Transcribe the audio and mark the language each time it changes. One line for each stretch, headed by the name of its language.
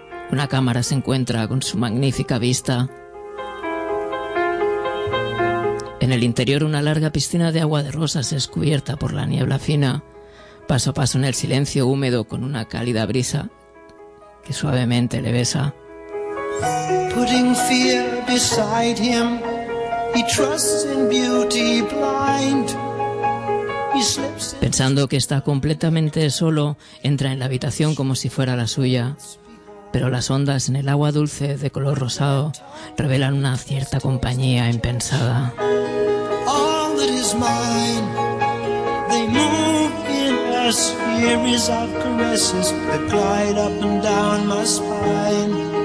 Spanish: Una cámara se encuentra con su magnífica vista. En el interior, una larga piscina de agua de rosas es cubierta por la niebla fina. Paso a paso en el silencio húmedo con una cálida brisa que suavemente le besa.
English: Putting fear beside him, he trusts in beauty blind. He slips.
Spanish: Pensando que está completamente solo, entra en la habitación como si fuera la suya, pero las ondas en el agua dulce de color rosado revelan una cierta compañía impensada.
English: All that is mine, they move in us. Series of caresses that glide up and down my spine.